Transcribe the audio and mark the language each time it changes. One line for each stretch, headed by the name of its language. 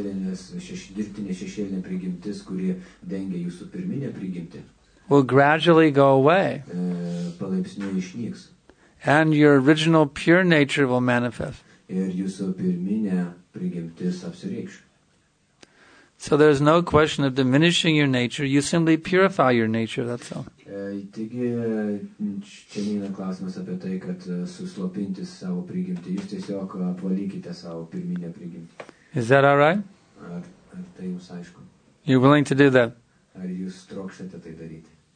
Lithuanian: dirbtinė šešėlinė prigimtis, kuri dengia jūsų pirminę prigimtį,
English: will gradually go away.
Lithuanian: Palaipsniui išnyks.
English: And your original pure nature will manifest.
Lithuanian: Ir jūsų pirminė prigimtis apsireikš.
English: So there's no question of diminishing your nature, you simply purify your nature, that's all.
Lithuanian: Taigi, čia nėra klausimas apie tai, kad suslopinti savo prigimtį, jūs tiesiog apvalykite savo pirminę prigimtį.
English: Is that all right?
Lithuanian: Ar tai jums aišku?
English: You're willing to do that?
Lithuanian: Ar jūs trokštate tai daryti?